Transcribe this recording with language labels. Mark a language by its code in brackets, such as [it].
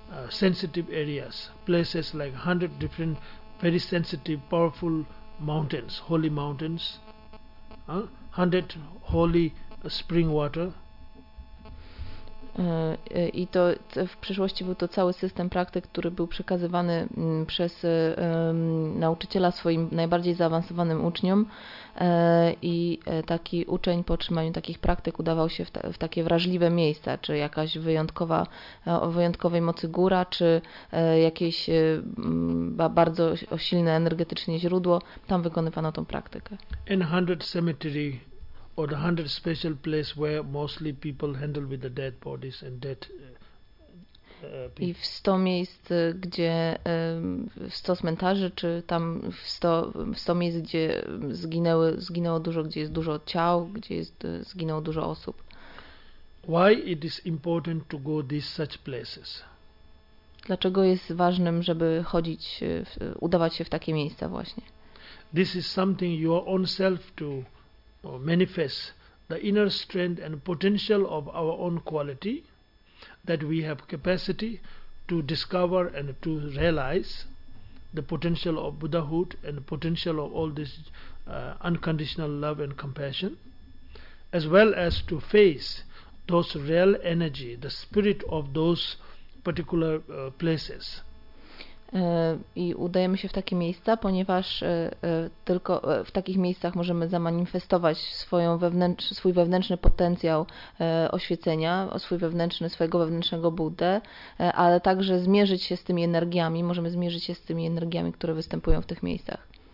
[en] sensitive areas, places like 100 different very sensitive, powerful mountains, holy mountains, 100 holy spring water. [pl] I to w przeszłości był to cały system praktyk, który był przekazywany przez nauczyciela swoim najbardziej zaawansowanym uczniom i taki uczeń po otrzymaniu takich praktyk udawał się w takie wrażliwe miejsca, czy jakaś wyjątkowa, o wyjątkowej mocy góra, czy jakieś bardzo silne energetycznie źródło, tam wykonywano tą praktykę. [en] In 100 cemetery. Or the 100 special place where mostly people handle with the dead bodies and dead [pl] people. I w 100 miejsc, gdzie w 100 cmentarzy, czy tam w 100 miejsc, gdzie zginęło dużo, gdzie jest dużo ciał, gdzie jest zginęło dużo osób. [en] Why it is important to go these such places? [pl] Dlaczego jest ważnym, żeby chodzić, udawać się w takie miejsca właśnie? [en] This is something your own self to manifest the inner strength and potential of our own quality that we have capacity to discover and to realize the potential of Buddhahood and the potential of all this unconditional love and compassion, as well as to face those real energy, the spirit of those particular places. [pl] I udajemy się w takie miejsca, ponieważ tylko w takich miejscach możemy zamanifestować swój wewnętrzny potencjał oświecenia, swojego wewnętrznego Buddę, ale także zmierzyć się z tymi energiami, które występują w tych miejscach.